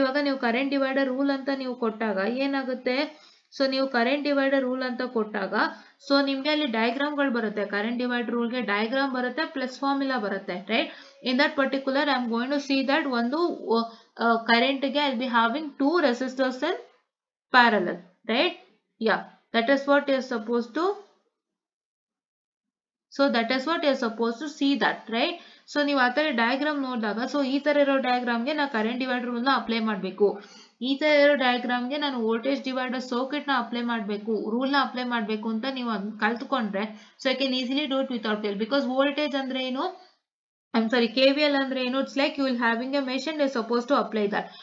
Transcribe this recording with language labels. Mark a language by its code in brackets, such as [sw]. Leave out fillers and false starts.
[kn] ಇವಾಗ ನೀವು current divider rule ಅಂತ ನೀವು ಕೊಟ್ಟಾಗ ಏನಾಗುತ್ತೆ? ಸೊ ನೀವು ಕರೆಂಟ್ ಡಿವೈಡರ್ ರೂಲ್ ಅಂತ ಕೊಟ್ಟಾಗ, ಸೊ ನಿಮ್ಗೆ ಅಲ್ಲಿ ಡಯಾಗ್ರಾಮ್ ಗಳು ಬರುತ್ತೆ. ಕರೆಂಟ್ ಡಿವೈಡರ್ ರೂಲ್ಗೆ ಡಯಾಗ್ರಾಮ್ ಬರುತ್ತೆ ಪ್ಲಸ್ ಫಾರ್ಮುಲಾ ಬರುತ್ತೆ, right? [en] in that particular I am going to see that [kn] ಒಂದು ಕರೆಂಟ್ಗೆ [en] I will be having 2 resistors in parallel, right? Yeah. That is what you are supposed to. So that is what you are supposed to see that, right? [kn] So ನೀವು ಆ ತರ diagram ನೋಡಿದಾಗ so ಈ ತರ ಇರೋ ಡಯಾಗ್ರಾಮ್ಗೆ ನಾ ಕರೆಂಟ್ ಡಿವೈಡರ್ ರೂಲ್ನ ಅಪ್ಲೈ ಮಾಡಬೇಕು, ಈ ತರ ಇರೋ ಡಯಾಗ್ರಾಮ್ಗೆ ನಾನು ವೋಲ್ಟೇಜ್ ಡಿವೈಡರ್ ಸರ್ಕ್ಯೂಟ್ನ ಅಪ್ಲೈ ಮಾಡಬೇಕು, ರೂಲ್ನ ಅಪ್ಲೈ ಮಾಡಬೇಕು ಅಂತ ನೀವು ಕಲ್ತ್ಕೊಂಡ್ರೆ [en] So I can easily do it without KL. Because [kn] voltage ಅಂದ್ರೆ ಏನು, [en] I'm sorry, [kn] ಕೆವಿಎಲ್ ಅಂದ್ರೆ ಏನು, [en] It's like you will having a machine you suppose to apply that.